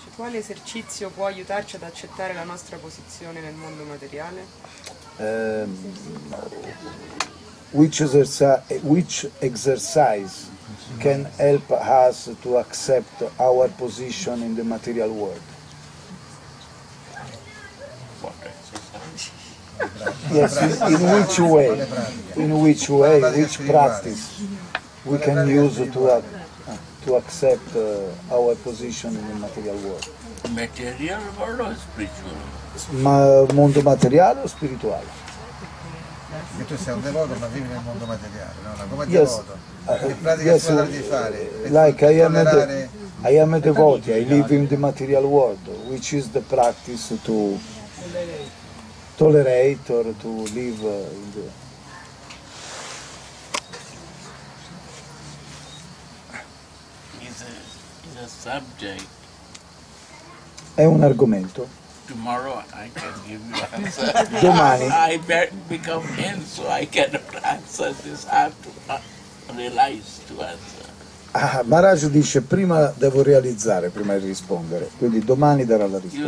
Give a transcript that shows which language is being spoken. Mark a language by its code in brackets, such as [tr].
[it] quale esercizio può aiutarci ad accettare la nostra posizione nel mondo materiale? [en] Which exercise can help us to accept our position in the material world? Yes, in which way, which practice we can use to accept our position in the material world? Material world or spiritual? [it] Ma mondo materiale o spirituale? Che tu sei un devoto ma vivi nel mondo materiale, no? Come devoto? Yes. [en] I am a devotee, I live in the material world, which is the practice to tolerate or to live in the... Is a subject. [it] È un argomento. [en] Tomorrow I can give you answer. [it] Domani. [en] I become in, so I cannot answer this. I have to realize to answer. [it] Ah, Maharaj dice prima devo realizzare prima di rispondere, quindi domani darà la risposta.